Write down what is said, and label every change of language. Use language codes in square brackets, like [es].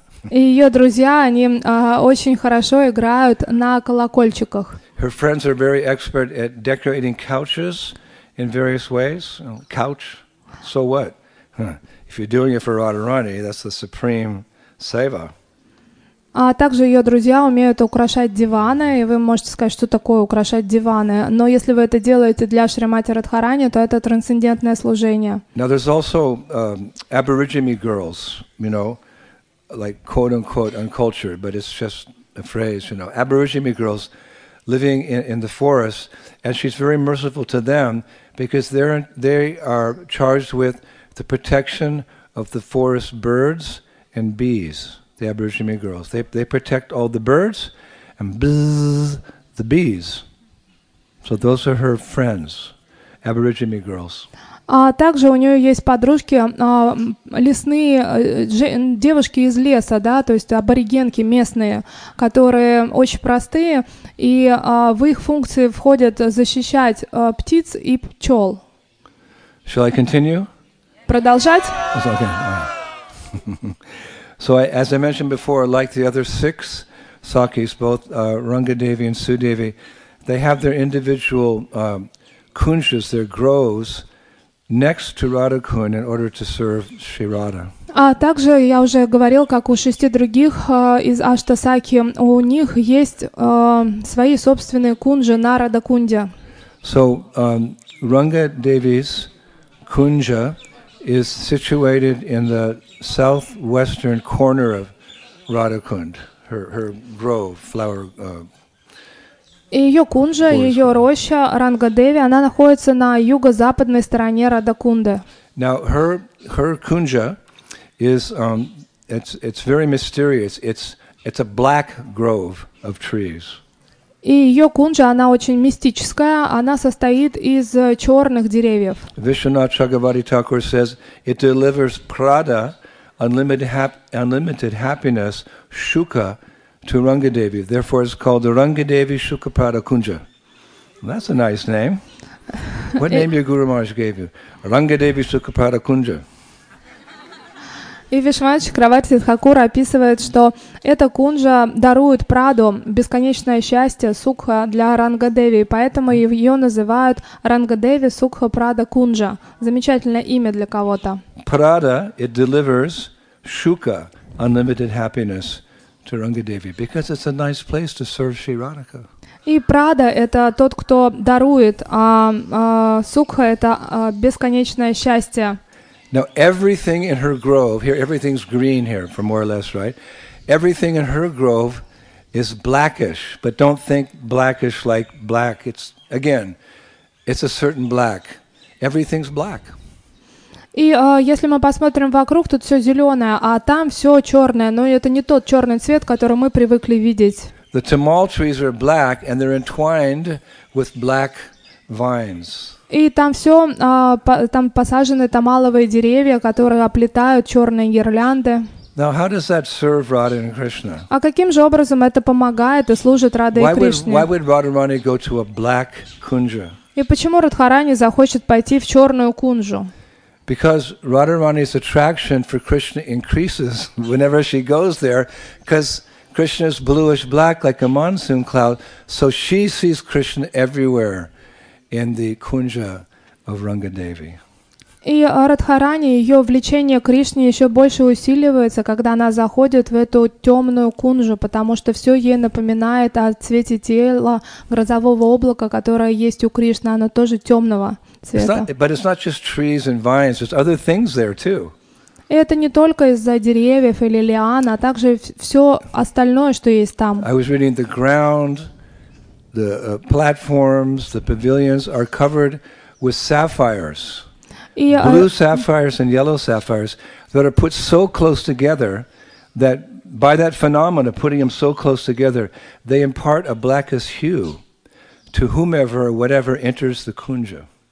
[ru] И ее друзья, они очень хорошо играют на колокольчиках. [en] Her friends are very expert at decorating couches in various ways. Couch, so what? If you're doing it for Radharani, that's the supreme seva. [ru] А также ее друзья умеют украшать диваны, и вы можете сказать, что такое украшать диваны. Но если вы это делаете для Шримати Радхарани, то это трансцендентное служение. [en] Now there's also aborigine girls, you know, like quote-unquote uncultured, but it's just a phrase, you know. Aborigine girls living in the forest, and she's very merciful to them because they are charged with the protection of the forest birds and bees, the aborigine girls. They protect all the birds and bzzz, the bees. So those are her friends, aborigine girls. [ru] Также у нее есть подружки, лесные девушки из леса, да, то есть аборигенки местные, которые очень простые, и в их функции входят защищать птиц и пчел. [en] Shall I continue? [ru] Продолжать? [en] It's okay. So, as I mentioned before, like the other six sakis, both Rangadevi and Sudevi, they have their individual kunjas, their groves, next to Radhakund in order to serve Shri Radha. [ru] А также я уже говорил, как у шести других из Аштасаки, у них есть свои собственные кунжи на Радхакунде. [en] So, Ranga Devi's kunja is situated in the southwestern corner of Radhakund, her grove, flower [ru] И ее кунжа, ее роща Рангадеви, она находится на юго-западной стороне Радхакунды. [en] Now her kunja is it's very mysterious. It's a black grove of trees. [ru] И ее кунжа, она очень мистическая. Она состоит из черных деревьев. [en] Vishwanath Chakravarti Thakur says it delivers prada, unlimited happiness, shuka. To Rangadevi, therefore, it's called the Rangadevi Shukaprada Kunja. Well, that's a nice name. What name your Guru Maharaj gave you? Rangadevi Shukaprada Kunja. [ru] И Вишванат Чакраварти Тхакура описывает, что эта кунжа дарует праду, бесконечное счастье, сукха для Рангадеви, поэтому ее называют Рангадеви Сукха Прада Кунджа. Замечательное имя для кого-то. [en] Prada, it delivers shuka, unlimited happiness. to Rangadevi because it's a nice place to serve Sri Radhika. [ru] И Прада – это тот, кто дарует, а Сукха – это бесконечное счастье. [en] Now everything in her grove here, everything's green here, for more or less, right? Everything in her grove is blackish, but don't think blackish like black. It's again, it's a certain black. Everything's black. [ru] И если мы посмотрим вокруг, тут все зеленое, а там все черное, но это не тот черный цвет, который мы привыкли видеть. [en] The tamal trees are black, and they're entwined with black vines. [ru] И там все, там посажены тамаловые деревья, которые оплетают черные гирлянды. [en] Now, how does that serve Radha and Krishna? [ru] А каким же образом это помогает и служит Раде и Кришне? [en] Why would Radharani go to a black kunja? [ru] И почему Радхарани захочет пойти в черную кунжу? [en] Because Radharani's attraction for Krishna increases whenever she goes there, because Krishna is bluish black like a monsoon cloud, so she sees Krishna everywhere in the kunja of Rangadevi. [ru] И Радхарани, ее влечение к Кришне еще больше усиливается, когда она заходит в эту темную кунжу, потому что все ей напоминает о цвете тела грозового облака, которое есть у Кришны, оно тоже темного цвета. [en] But it's not just trees and vines, there's other things there too. [ru] И это не только из-за деревьев или лиан, а также все остальное, что есть там. [en] I was reading the ground, the platforms, the pavilions are covered with sapphires. Blue sapphires and yellow sapphires that are put so close together that by that phenomenon of putting them so close together, they impart a blackest hue to whomever or whatever enters the kunja.